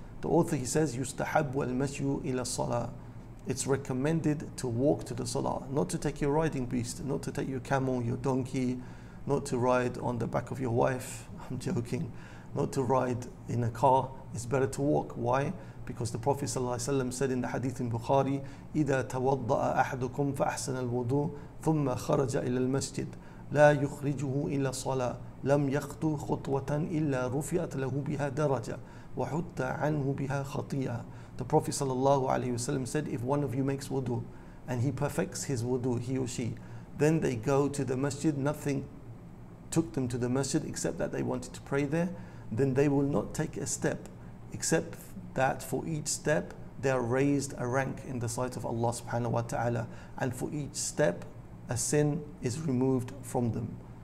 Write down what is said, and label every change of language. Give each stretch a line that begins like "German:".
English: The author, he says,
Arabic: يُسْتَحَبُّ الْمَشْيُّ إِلَى الصَّلَاةِ,
English: it's recommended to walk to the salah, not to take your riding beast, not to take your camel, your donkey, not to ride on the back of your wife, I'm joking, not to ride in a car, it's better to walk. Why? Because the Prophet ﷺ said in the hadith in Bukhari,
Arabic: إِذَا تَوَضَّأَ أَحَدُكُمْ فَأَحْسَنَ الْوُضُوءِ ثُمَّ خَرَجَ إِلَى الْمَسْجِدِ لَا يُخْرِجُهُ إِلَى الصَّلَاةِ لَمْ يَخْطُ خُطْوَةً إِلَّا رُفِعَتْ لَهُ بِهَا دَرَجَةً وَحُتَّ عَنْهُ بِهَا خَطِيئَةً.
English: The Prophet ﷺ said, if one of you makes wudu and he perfects his wudu, he or she, then they go to the masjid, nothing took them to the masjid except that they wanted to pray there, then they will not take a step except that for each step they are raised a rank in the sight of Allah subhanahu wa ta'ala, and for each step a sin is removed from them.